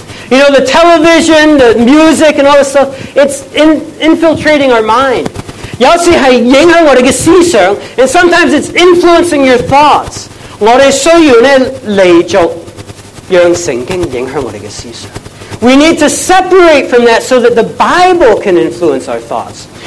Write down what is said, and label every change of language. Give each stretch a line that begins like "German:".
English: You know, the television, the music and all this stuff, it's infiltrating our mind.
Chinese: 有时是影响我们的思想,
English: and sometimes it's influencing your thoughts.
Chinese: 我们需要来做让圣经影响我们的思想。
English: We need to separate from that so that the Bible can influence our thoughts.